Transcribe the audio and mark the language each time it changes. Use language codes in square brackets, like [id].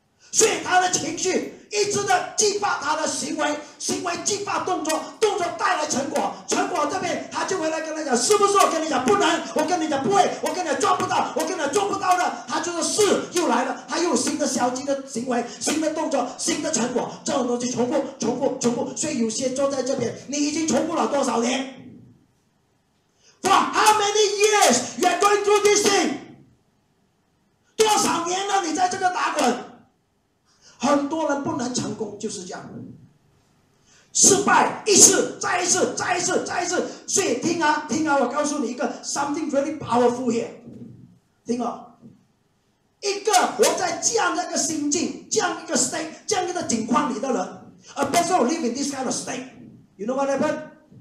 [zh] 所以他的情绪一直的激发他的行为，行为激发动作，动作带来成果，成果这边他就回来跟他讲，是不是？我跟你讲不能，我跟你讲不会，我跟你讲做不到，我跟你讲做不到的，他就是是又来了，他又有新的消极的行为，新的动作，新的成果，这种东西重复重复重复。所以有些坐在这边，你已经重复了多少年？ [en] For how many years you are going through this thing？ [zh] 多少年了你在这个打滚？很多人不能成功就是这样，失败一次再一次再一次再一次。所以听啊听啊，我告诉你一个 [en] something really powerful here， [zh] 听啊，一个活在这样的一个心境，这样一个 state， 这样一个境况里的人， [en] a person living this kind of state， you know what happened？